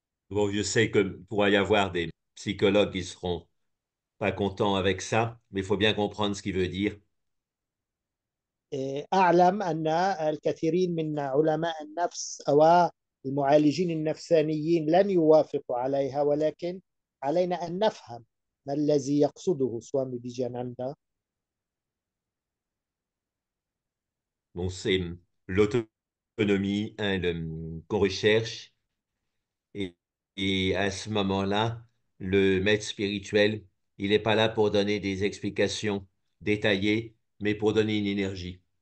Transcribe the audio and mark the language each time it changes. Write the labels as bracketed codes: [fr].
[fr] Bon, je sais que pourrait y avoir des psychologues qui seront pas contents avec ça, mais il faut bien comprendre ce qu'il veut dire. [ar] أعلم أن الكثيرين من علماء النفس أو المعالجين النفسانيين لن يوافقوا عليها، ولكن علينا أن نفهم ما الذي يقصده سوامي فيجياناندا. [fr] Bon, c'est l'autonomie qu'on recherche. Et à ce moment-là, le maître spirituel, il n'est pas là pour donner des explications détaillées, mais pour donner une énergie.